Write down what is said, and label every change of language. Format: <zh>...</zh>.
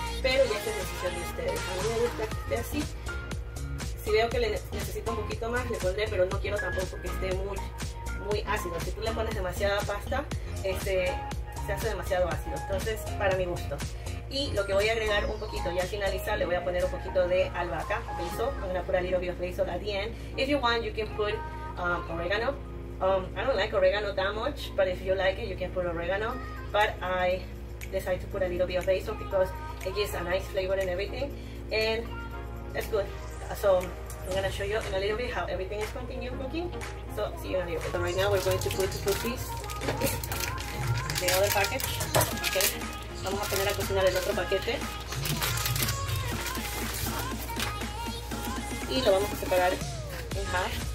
<es>Pero ya es decisión de ustedes. A mí me gusta que esté así. Si veo que le necesito un poquito más, le pondré, pero no quiero tampoco que esté muy, muy ácido. Si tú le pones demasiada pasta, se hace demasiado ácido. Entonces, para mi gusto. Y lo que voy a agregar un poquito, ya al finalizar, le voy a poner un poquito de albahaca, basil.</es> <en>I'm gonna put a little bit of basil at the end. If you want, you can put oregano. I don't like oregano that much, but if you like it, you can put oregano. But I decided to put a little bit of basil because it gives a nice flavor and everything. And that's good. So I'm gonna show you in a little bit how everything is continuing cooking. So see you in a little bit. So right now we're going to put two cookies, the other package, okay.</en> <es>Vamos a poner a cocinar el otro paquete y lo vamos a separar en half.</es>